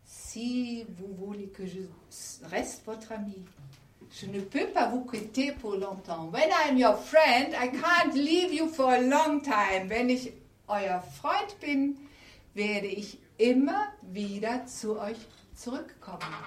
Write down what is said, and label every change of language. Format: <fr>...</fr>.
<fr>si vous voulez que je reste votre ami, je ne peux pas vous quitter pour longtemps.</fr> <en>When I'm your friend, I can't leave you for a long time.</en> <de>Wenn ich euer Freund bin, werde ich immer wieder zu euch zurückkommen.</de>